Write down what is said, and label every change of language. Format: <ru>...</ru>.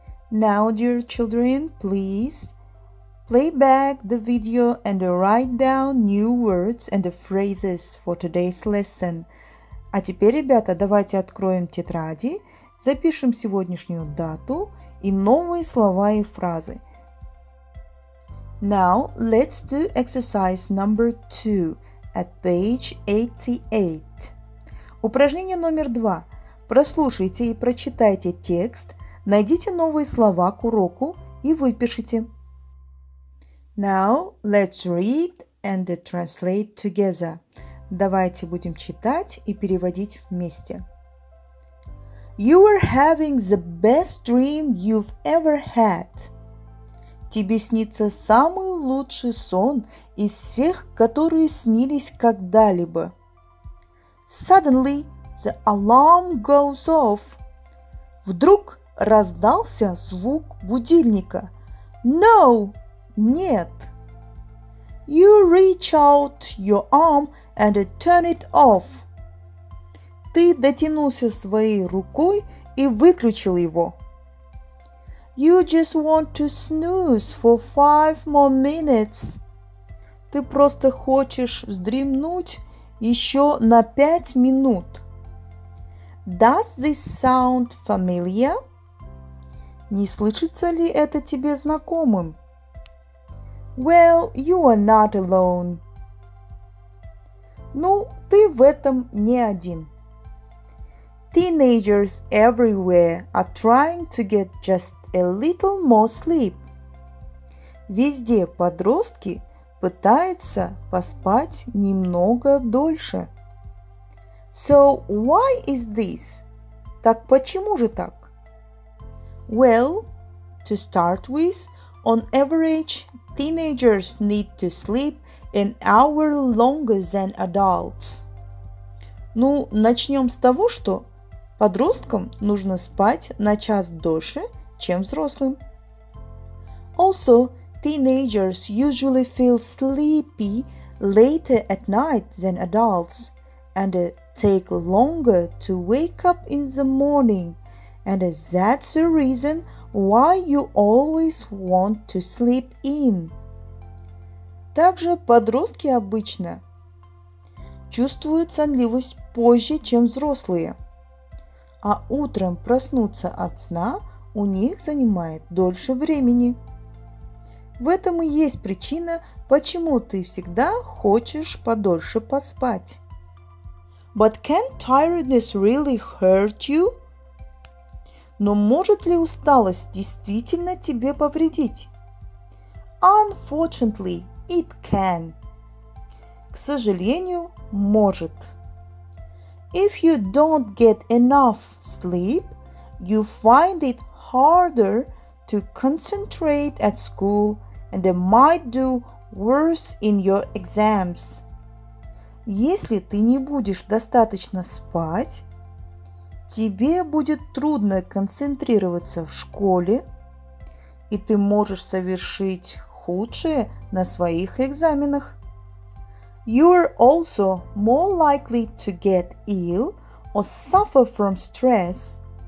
<en>Now, dear children, please play back the video and write down new words and phrases for today's lesson.</en> <ru>А теперь, ребята, давайте откроем тетради, запишем сегодняшнюю дату и новые слова и фразы.</ru> <en>Now, let's do exercise number 2 at page 88.</en> <ru>Упражнение номер 2. Прослушайте и прочитайте текст. Найдите новые слова к уроку и выпишите.</ru> <en>Now, let's read and translate together.</en> <ru>Давайте будем читать и переводить вместе.</ru> <en>You are having the best dream you've ever had.</en> <ru>Тебе снится самый лучший сон из всех, которые снились когда-либо.</ru> <en>Suddenly, the alarm goes off.</en> <ru>Вдруг раздался звук будильника.</ru> <en>No, нет. You reach out your arm and turn it off.</en> <ru>Ты дотянулся своей рукой и выключил его.</ru> <en>You just want to snooze for 5 more minutes.</en> <ru>Ты просто хочешь вздремнуть еще на 5 минут.</ru> <en>Does this sound familiar?</en> <ru>Не слышится ли это тебе знакомым?</ru> <en>Well, you are not alone.</en> <ru>Ну, ты в этом не один.</ru> <en>Teenagers everywhere are trying to get just a little more sleep.</en> <ru>Везде подростки пытаются поспать немного дольше.</ru> <en>So why is this?</en> <ru>Так почему же так?</ru> <en>Well, to start with, on average, teenagers need to sleep an hour longer than adults.</en> <ru>Ну, начнем с того, что подросткам нужно спать на час дольше, чем взрослым.</ru> <en>Also, teenagers usually feel sleepy later at night than adults and take longer to wake up in the morning. And that's the reason why you always want to sleep in.</en> <ru>Также подростки обычно чувствуют сонливость позже, чем взрослые. А утром проснуться от сна у них занимает дольше времени. В этом и есть причина, почему ты всегда хочешь подольше поспать.</ru> <en>But can tiredness really hurt you?</en> <ru>Но может ли усталость действительно тебе повредить?</ru> <en>Unfortunately, it can.</en> <ru>К сожалению, может.</ru> <en>If you don't get enough sleep, you find it harder to concentrate at school and it might do worse in your exams.</en> <ru>Если ты не будешь достаточно спать, тебе будет трудно концентрироваться в школе, и ты можешь совершить худшее на своих экзаменах.</ru> <en>You're also more likely to get ill or suffer from stress.</en>